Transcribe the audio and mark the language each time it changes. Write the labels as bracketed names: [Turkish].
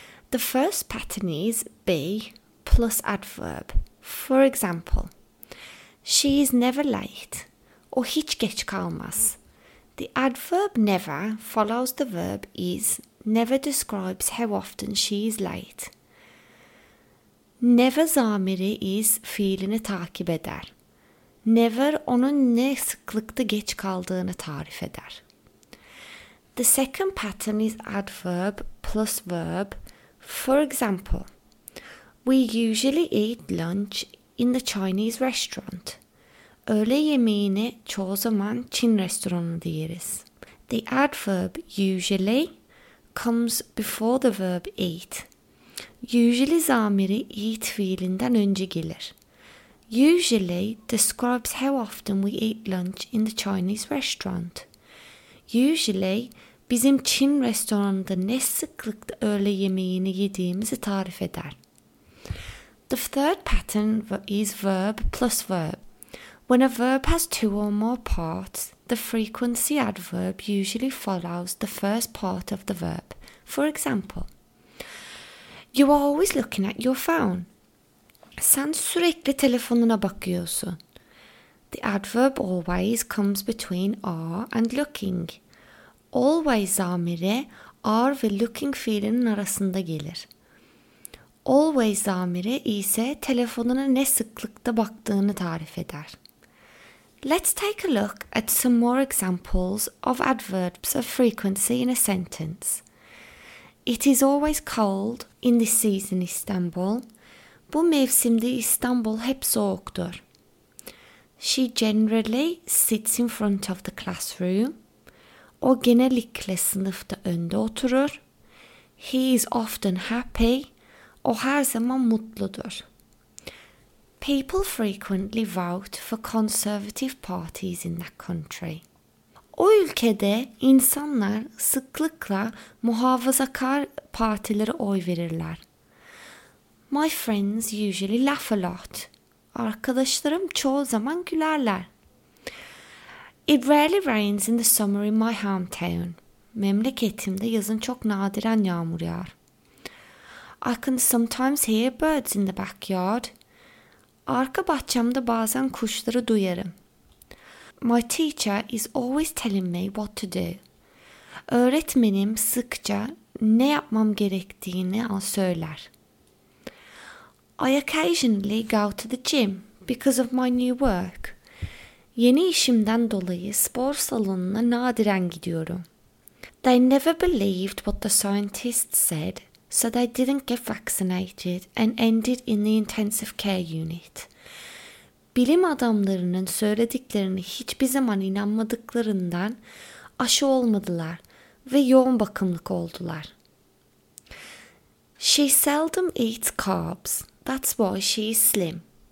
[English] The first pattern is be plus adverb. For example, she is never late, or [Turkish] hiç geç kalmaz. [English] The adverb never follows the verb is, never describes how often she is late. [Turkish] Never zamiri is fiilini takip eder. Never onun ne sıklıkta geç kaldığını tarif eder. [English] The second pattern is adverb plus verb. For example, we usually eat lunch in the Chinese restaurant. [Turkish] Öğle yemeğini çoğu zaman Çin restoranında yeriz. [English] The adverb usually comes before the verb eat. [Turkish] Usually zamiri eat fiilinden önce gelir. [English] Usually describes how often we eat lunch in the Chinese restaurant. [Turkish] Usually bizim Çin restoranında ne sıklıkla öğle yemeğini yediğimizi tarif eder. [English] The third pattern is verb plus verb. When a verb has two or more parts, the frequency adverb usually follows the first part of the verb. For example, you are always looking at your phone. [Turkish] Sen sürekli telefonuna bakıyorsun. [English] The adverb always comes between are and looking. [Turkish] Always zamiri are ve looking fiilinin arasında gelir. Always zamiri ise telefonuna ne sıklıkta baktığını tarif eder. [English] Let's take a look at some more examples of adverbs of frequency in a sentence. It is always cold in this season, Istanbul. [Turkish] Bu mevsimde İstanbul hep soğuktur. [English] She generally sits in front of the classroom. [Turkish] O genellikle sınıfta önde oturur. [English] He is often happy. [Turkish] O her zaman mutludur. [English] People frequently vote for conservative parties in that country. [Turkish] O ülkede insanlar sıklıkla muhafazakar partilere oy verirler. [English] My friends usually laugh a lot. [Turkish] Arkadaşlarım çoğu zaman gülerler. [English] It rarely rains in the summer in my hometown. [Turkish] Memleketimde yazın çok nadiren yağmur yağar. [English] I can sometimes hear birds in the backyard. [Turkish] Arka bahçemde bazen kuşları duyarım. [English] My teacher is always telling me what to do. [Turkish] Öğretmenim sıkça ne yapmam gerektiğini söyler. [English] I occasionally go to the gym because of my new work. [Turkish] Yeni işimden dolayı spor salonuna nadiren gidiyorum. [English] They never believed what the scientists said, so they didn't get vaccinated and ended in the intensive care unit. [Turkish] Bilim adamlarının söylediklerini hiçbir zaman inanmadıklarından aşı olmadılar ve yoğun bakımlık oldular. [English] She seldom eats carbs, that's why she is slim.